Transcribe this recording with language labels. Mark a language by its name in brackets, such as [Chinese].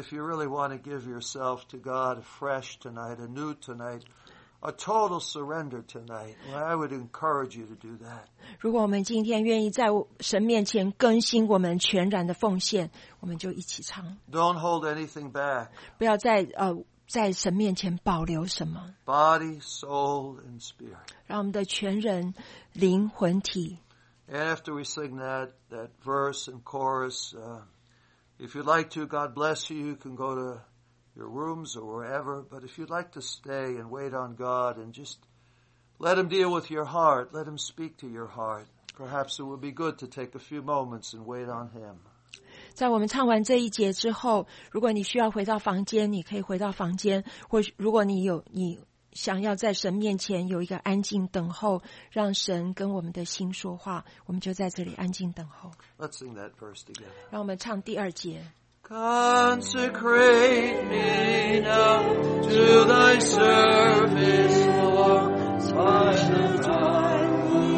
[English] But if you really want to give yourself to God fresh tonight, anew tonight, a total surrender tonight, well, I would encourage you to do that. [Chinese] 如果我们今天愿意在神面前更新我们全然的奉献，我们就一起唱。 [English] Don't hold anything back. [Chinese] 不要在神面前保留什么。 [English] Body, soul, and spirit. [Chinese] 让我们的全人灵魂体。 [English] And after we sing that verse and chorus, if you'd like to, God bless you, you can go to your rooms or wherever, but if you'd like to stay and wait on God and just let him deal with your heart, let him speak to your heart, perhaps it would be good to take a few moments and wait on him. [Chinese] 在我们唱完这一节之后，如果你需要回到房间，你可以回到房间，或如果你有你想要在神面前有一个安静等候，让神跟我们的心说话，我们就在这里安静等候。 [English] Let's sing that verse together. [Chinese] 让我们唱第二节。 [English] Consecrate me now to thy service, Lord, by the time